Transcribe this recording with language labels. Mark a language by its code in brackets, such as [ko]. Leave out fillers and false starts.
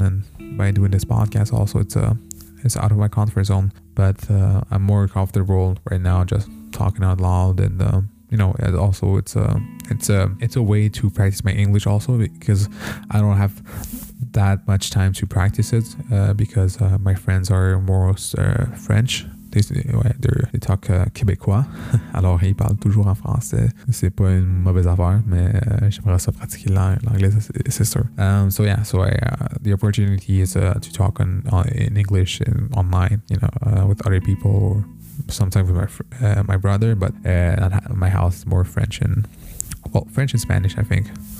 [en] And by doing this podcast also, it's out of my comfort zone, but I'm more comfortable right now just talking out loud. And you know, and also it's a way to practice my English also, because I don't have that much time to practice it, because my friends are more French. They talk Québécois. [fr] Alors ils parlent toujours en français. C'est pas une mauvaise affaire, mais j'aimerais ça pratiquer l'anglais, c'est sûr. [en] The opportunity is to talk in English and online, you know, with other people, or sometimes with my brother. But my house is more French and, well, French and Spanish, I think.